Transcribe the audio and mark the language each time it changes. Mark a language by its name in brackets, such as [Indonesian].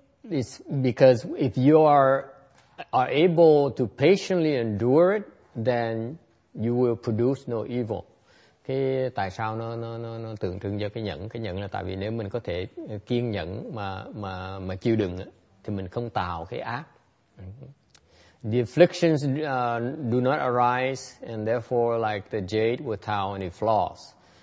[English] It's because if you are able to patiently endure it, then you will produce no evil. [Vietnamese] Cái tại sao nó tượng trưng cho cái nhẫn là tại vì nếu mình có thể kiên nhẫn mà chịu đựng thì mình không tạo cái ác. [English] The afflictions do not arise, and therefore like the jade without any flaws.